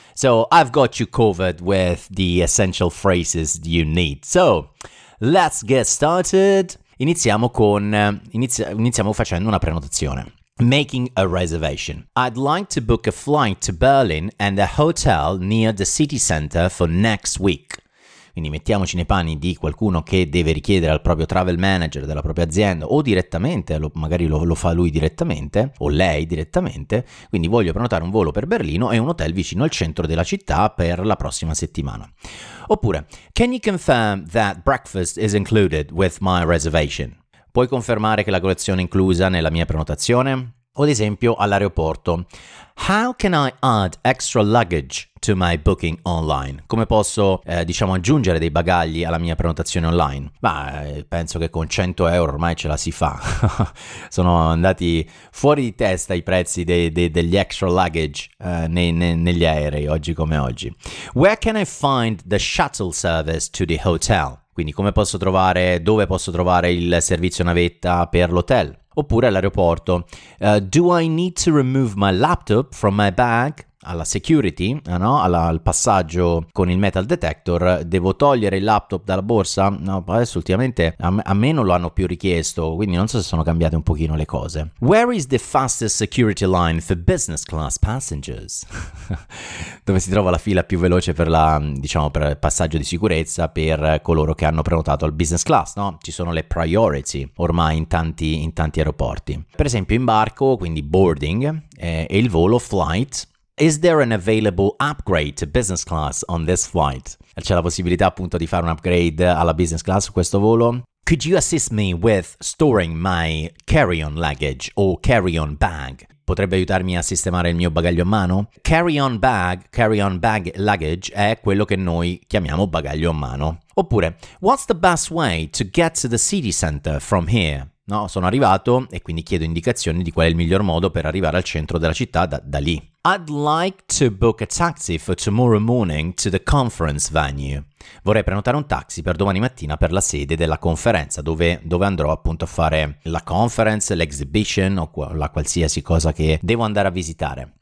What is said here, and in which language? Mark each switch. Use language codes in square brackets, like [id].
[en] So, I've got you covered with the essential phrases you need. So, let's get started. [it] Iniziamo facendo una prenotazione. [en] Making a reservation. I'd like to book a flight to Berlin and a hotel near the city center for next week. [it] Quindi mettiamoci nei panni di qualcuno che deve richiedere al proprio travel manager della propria azienda o direttamente, magari lo fa lui direttamente o lei direttamente. Quindi voglio prenotare un volo per Berlino e un hotel vicino al centro della città per la prossima settimana. [en] Oppure, can you confirm that breakfast is included with my reservation? [it] Puoi confermare che la colazione è inclusa nella mia prenotazione? O ad esempio all'aeroporto. [en] How can I add extra luggage to my booking online? [it] Come posso, aggiungere dei bagagli alla mia prenotazione online? Penso che con 100 euro ormai ce la si fa. Sono andati fuori di testa i prezzi degli extra luggage negli aerei, oggi come oggi. [en] Where can I find the shuttle service to the hotel? [it] Quindi come posso trovare, dove posso trovare il servizio navetta per l'hotel? Oppure all'aeroporto. [en] Do I need to remove my laptop from my bag? [it] Alla security, no? Al passaggio con il metal detector, devo togliere il laptop dalla borsa? No, adesso ultimamente a me non lo hanno più richiesto, quindi non so se sono cambiate un pochino le cose. [en] Where is the fastest security line for business class passengers? [it] Dove si trova la fila più veloce per per il passaggio di sicurezza per coloro che hanno prenotato al business class, no? Ci sono le priority ormai in tanti aeroporti. Per esempio imbarco, quindi boarding, e il volo flight. [en] Is there an available upgrade to business class on this flight? [it] C'è la possibilità appunto di fare un upgrade alla business class su questo volo? [en] Could you assist me with storing my carry-on luggage or carry-on bag? [it] Potrebbe aiutarmi a sistemare il mio bagaglio a mano? Carry-on bag luggage è quello che noi chiamiamo bagaglio a mano. [en] Oppure, what's the best way to get to the city center from here? [it] No, sono arrivato e quindi chiedo indicazioni di qual è il miglior modo per arrivare al centro della città da lì. [en] I'd like to book a taxi for tomorrow morning to the conference venue. [it] Vorrei prenotare un taxi per domani mattina per la sede della conferenza, dove andrò appunto a fare la conference, l'exhibition o la qualsiasi cosa che devo andare a visitare.